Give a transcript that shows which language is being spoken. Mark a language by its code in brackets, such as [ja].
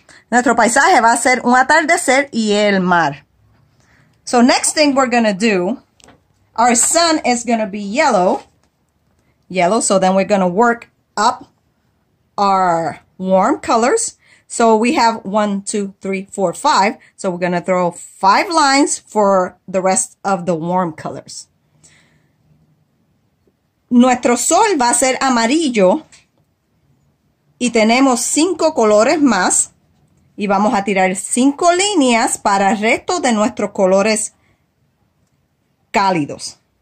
[es] Nuestro paisaje va a ser un atardecer y el mar. [en] So next thing we're going to do, our sun is going to be yellow. So then we're going to work up our warm colors. So we have 1, 2, 3, 4, 5. So we're going to throw 5 lines for the rest of the warm colors. [es] Nuestro sol va a ser amarillo y tenemos 5 colores más. Y vamos a tirar 5 líneas para el resto de nuestros colores cálidos.